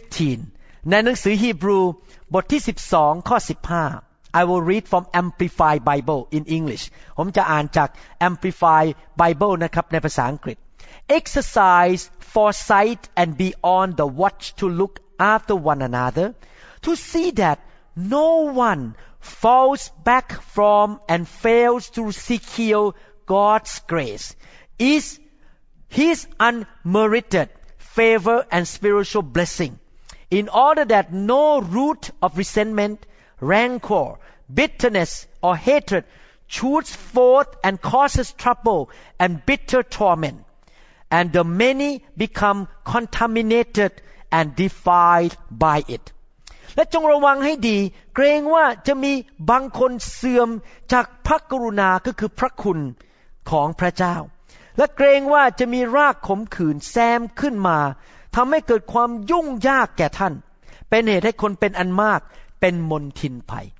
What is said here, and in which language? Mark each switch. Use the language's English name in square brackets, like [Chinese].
[Thai] 15ในหนังสือฮีบรูบทที่12ข้อ15 [English] I will read from Amplified Bible in English [Thai] ผมจะอ่านจาก Amplified Bible นะครับในภาษาอังกฤษ [English] Exercise foresight and be on the watch to look after one another to see thatNo one falls back from and fails to secure God's grace. Is his unmerited favor and spiritual blessing in order that no root of resentment, rancor, bitterness, or hatred shoots forth and causes trouble and bitter torment, and the many become contaminated and defiled by it. [Thai] และจงระวังให้ดีเกรงว่าจะมีบางคนเสื่อมจากพระกรุณาก็คือพระคุณของพระเจ้าและเกรงว่าจะมีรากขมขื่นแซมขึ้นมาทำให้เกิดความยุ่งยากแก่ท่านเป็นเหตุให้คนเป็นอันมากเป็นมลทินไป